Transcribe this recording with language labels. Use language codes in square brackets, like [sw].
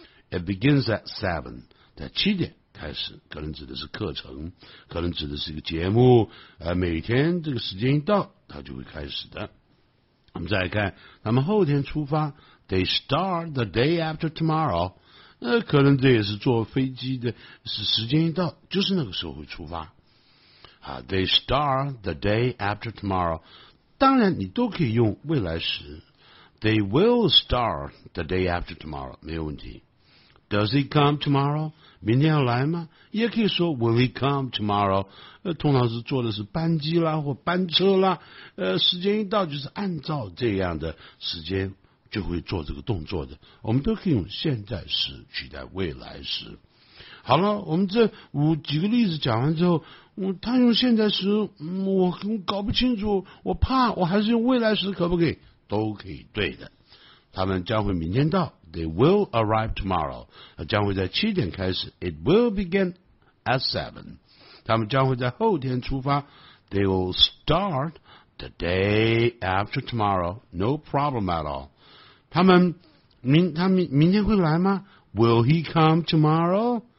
[en] It begins at 7， [zh] 在7点开始，可能指的是课程，可能指的是一个节目，每天这个时间一到它就会开始的。我们再来看他们后天出发， [en] they start the day after tomorrow， [zh] 可能这也是坐飞机的，是时间一到就是那个时候会出发。 [en] They start the day after tomorrow， [zh] 当然你都可以用未来时， [en] they will start the day after tomorrow， [zh] 没有问题。 [en] Does he come tomorrow? [zh] 明天要来吗？也可以说 [en] Will he come tomorrow? [zh] 通常是坐的是班机啦或班车啦，时间一到就是按照这样的时间就会做这个动作的。我们都可以用现在时取代未来时。好了，我们这5几个例子讲完之后，他用现在时，我搞不清楚，我怕，我还是用未来时可不可以？都可以对的。他们将会明天到。 [en] They will arrive tomorrow， [zh] 将会在7点开始。 [en] It will begin at 7。 [zh] 他们将会在后天出发。 [en] They will start the day after tomorrow， no problem at all。 [zh] 他明天会来吗 [en] ？Will he come tomorrow？